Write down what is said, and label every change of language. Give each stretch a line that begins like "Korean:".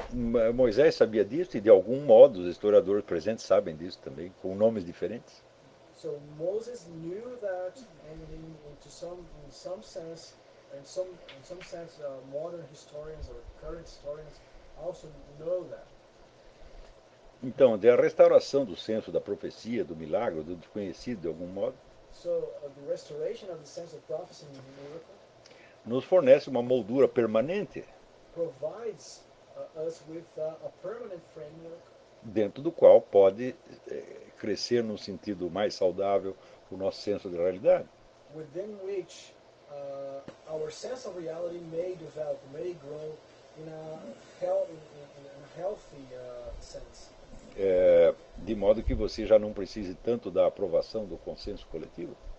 Portuguese: Moisés sabia disso e de algum modo os historiadores presentes sabem disso também, com nomes diferentes.
English: So Moses knew that, and in some sense, modern historians or current historians also know that.
Portuguese: Então, de a restauração do senso da profecia, do milagre, do desconhecido, de algum modo.
English: So the restoration of the sense of prophecy and miracle
Portuguese: nos fornece uma moldura permanente.
English: Provides us with a permanent framework
Portuguese: dentro do qual pode crescer num sentido mais saudável o nosso senso de realidade.
English: Within which our sense of reality may develop, may grow in a healthy sense.
Portuguese: De modo que você já não precise tanto da aprovação do consenso coletivo.